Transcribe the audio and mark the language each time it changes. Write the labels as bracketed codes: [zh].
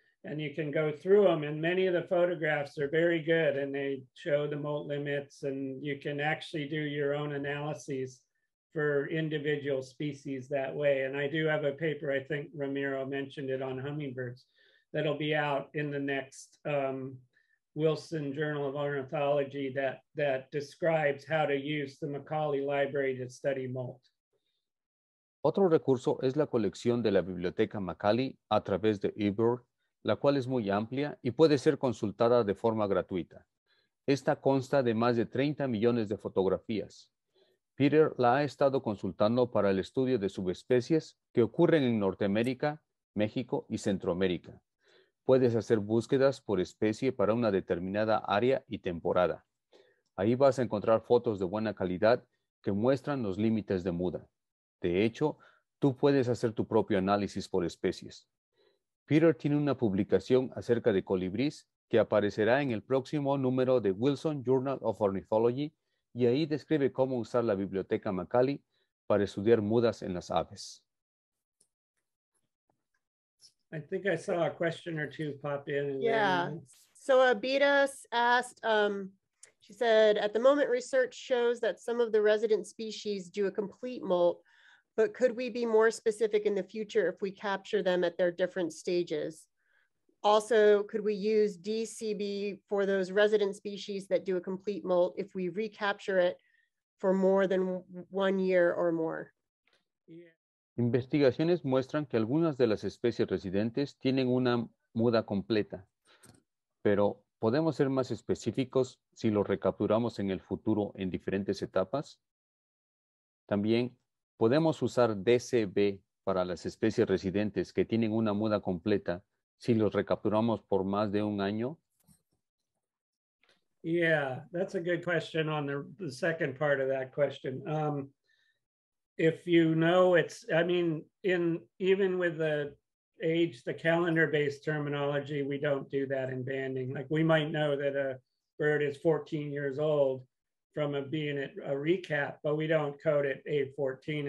[en] And you can go through them, and many of the photographs are very good, and they show the molt limits, and you can actually do your own analyses for individual species that way. And I do have a paper, I think Ramiro mentioned it, on hummingbirds, that'll be out in the next Wilson Journal of Ornithology that describes how to use the Macaulay Library to study molt. [es] Otro recurso es la colección de la Biblioteca Macaulay a través de eBird, la cual es muy amplia y puede ser consultada de forma gratuita. Esta consta de más de 30 millones de fotografías. Peter la ha estado consultando para el estudio de subespecies que ocurren en Norteamérica, México y Centroamérica. Puedes hacer búsquedas por especie para una determinada área y temporada. Ahí vas a encontrar fotos de buena calidad que muestran los límites de muda. De hecho, tú puedes hacer tu propio análisis por especies. Peter tiene una publicación acerca de colibríes que aparecerá en el próximo número de Wilson Journal of Ornithology, y ahí describe cómo usar la biblioteca Macaulay para estudiar mudas en las aves. [en] I think I saw a question or two pop in. Yeah. So Abita asked, she said, at the moment, research shows that some of the resident species do a complete molt, but could we be more specific in the future if we capture them at their different stages? Also, could we use DCB for those resident species that do a complete molt if we recapture it for more than 1 year or more? [es] Investigaciones muestran que algunas de las especies residentes tienen una muda completa, pero ¿podemos ser más específicos si lo recapturamos en el futuro en diferentes etapas? También, ¿podemos usar DCB para las especies residentes que tienen una muda completa si los recapturamos por más de un año? [en] Yeah, that's a good question on the second part of that question. If you know it's, I mean, in even with the age, the calendar-based terminology, we don't do that in banding. Like we might know that a bird is 14 years old from being at a recap, but we don't code it age 14.